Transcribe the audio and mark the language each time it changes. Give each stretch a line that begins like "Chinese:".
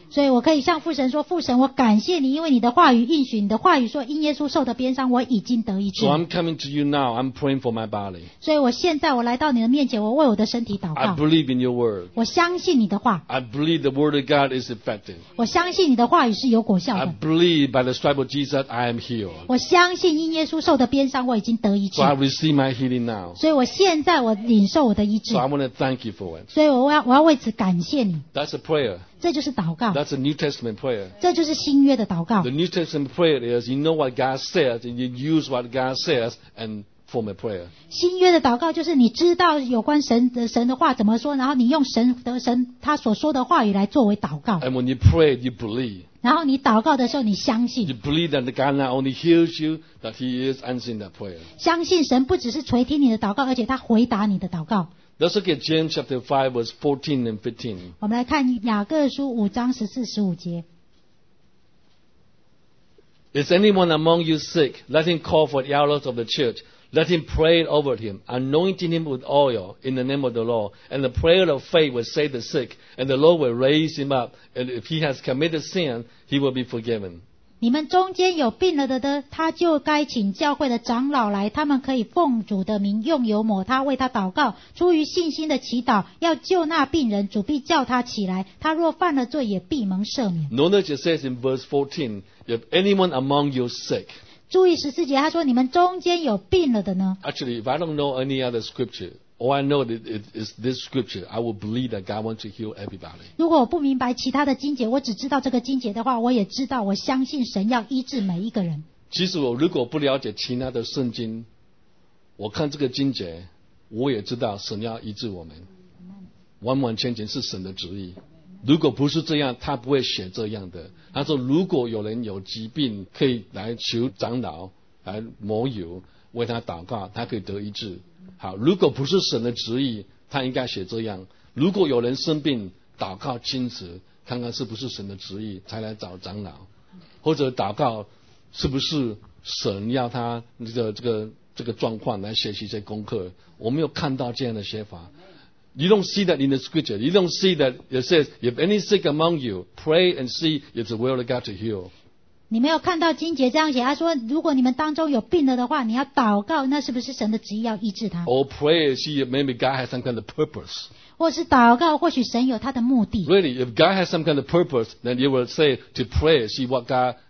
Chinese: 所以我可以向父神说父神我感谢你因为你的话语应许你的话语说因耶稣受的鞭伤我已经得医治
English: So I'm coming to you now I'm praying for my body
Chinese: 所以我现在我来到你的面前我为我的身体祷告
English: I believe in your word
Chinese: 我相信你的话
English: I believe the word of God is effective
Chinese: 我相信你的话语是有果效的
English: I believe by the stripes of Jesus I am healed
Chinese: 我相信因耶稣受的鞭伤我已经得医治
English: So I receive my healing now
Chinese: 所以我现在我领受我的医治
English: So I want to thank you for it
Chinese: 所以我要为此感谢你
English: That's a prayer
Chinese: 这就是祷告
English: That's a New Testament prayer
Chinese: 这就是新约的祷告
English: The New Testament prayer is You know what God says And you use what God says And form a prayer
Chinese: 新约的祷告就是你知道有关神的话怎么说然后你用神他所说的话语来作为祷告
English: And when you pray you believe
Chinese: 然后你祷告的时候你相信
English: You believe that God not only hears you That he is answering that prayer
Chinese: 相信神不只是垂听你的祷告而且他回答你的祷告
English: Let's look at James chapter 5, verse 14 and 15.
Chinese: 我们来看雅各书五章十四十五节。
English: Is anyone among you sick? Let him call for the elders of the church. Let him pray over him, anointing him with oil in the name of the Lord. And the prayer of faith will save the sick, and the Lord will raise him up. And if he has committed sin, he will be forgiven.
Chinese: 你们中间有病了的，他就该请教会的长老来，他们可以奉主的名用油抹他，为他祷告，出于信心的祈祷，要救那病人，主必叫他起来。他若犯了罪，也必蒙赦免。
English: Notice it says in verse 14, if anyone among you sick.
Chinese: 注意十四节，他说你们中间有病了的呢。
English: Actually, if I don't know any other scripture. All I know that it is this scripture. I will believe that God wants to heal everybody.
Chinese: 如果我不明白其他的经节，我只知道这个经节的话，我也知道，我相信神要医治每一个人。其实我如果不了解其他的圣经，我看这个经节，我也知道神要医治我们。完完全全是神的旨意。如果不是这样，他不会写这样的。他说，如果有人有疾病，可以来求长老来抹油，为他祷告，他可以得医治。好，如果不是神的旨意，他应该写这样。如果有人生病，祷告亲自看看是不是神的旨意，才来找长老，或者祷告是不是神要他这个这个状况来学习这些功课，我没有看到这样的写法。
English: You don't see that in the scripture. You don't see that it says, if any sick among you, pray and see if the will of God to heal.
Chinese: 你没有看到经节这样写，他说，如果你们当中有病了的话，你要祷告，那是不是神的旨意要医治他？
English: Or pray and see if maybe God has some kind of purpose.
Chinese: 或是祷告，或许神有他的目的。
English: Really, if God has some kind of purpose, then you will say to pray and see what God.